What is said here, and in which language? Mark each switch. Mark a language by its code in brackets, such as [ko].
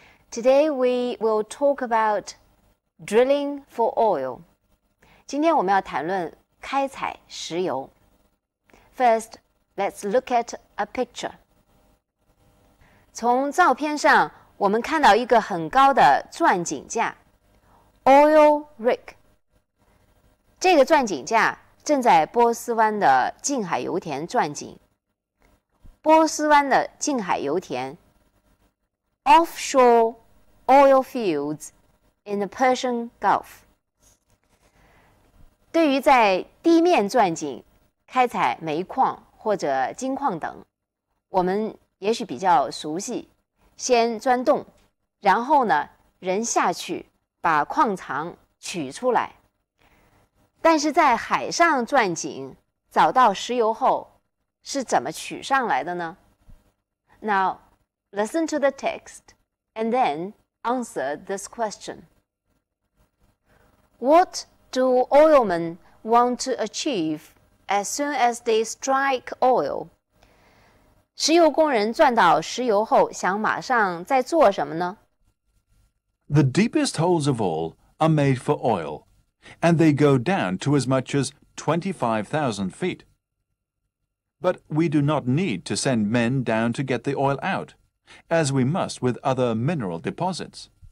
[en] Today we will talk about drilling for oil. [zh] 今天我们要谈论开采石油。 [en] First, let's look at a picture. [zh] 从照片上，我们看到一个很高的钻井架 ， [en] oil rig。 [zh] 这个钻井架正在波斯湾的近海油田钻井。波斯湾的近海油田 ， [en] offshore oil fields in the Persian Gulf。 [zh] 对于在地面钻井、开采煤矿或者金矿等，我们也许比较熟悉，先钻洞，然后呢，人下去把矿藏取出来。但是在海上钻井，找到石油后，是怎么取上来的呢？ [en] Now, listen to the text and then answer this question. What do oilmen want to achieve as soon as they strike oil? [zh] 石油工人赚到石油后想马上再做什么呢？ [en] The deepest holes of all are made for oil, and they go down to as much as 25,000 feet. But we do not need to send men down to get the oil out, as we must with other mineral deposits.